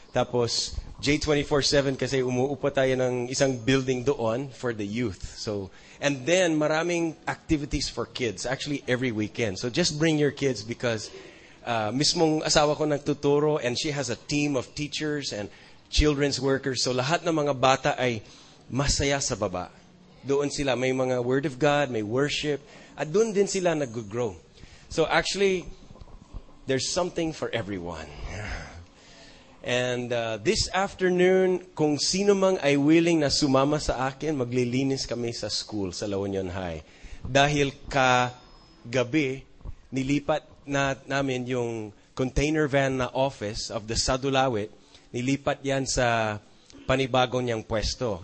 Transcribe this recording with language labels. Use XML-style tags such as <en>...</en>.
<tl>Tapos, J24-7 kasi umuupo tayo ng isang building doon</tl> <en>for the youth. So, and then,</en> <tl>maraming</tl> <en>activities for kids, actually every weekend. So just bring your kids because</en> <tl>mismong asawa ko nagtuturo</tl> <en>and she has a team of teachers and children's workers.</en> <tl>So lahat ng mga bata ay masaya sa baba. Doon sila, may mga</tl> <en>word of God,</en> <tl>may worship, at doon din sila nag-grow.</tl> <en>So actually, there's something for everyone. And this afternoon,</en> <tl>kung sino mang ay willing na sumama sa akin, maglilinis kami sa school, sa La Union High. Dahil kagabi, nilipat na namin yung container van na office of the Sadulawit, nilipat yan sa panibagong niyang pwesto.</tl>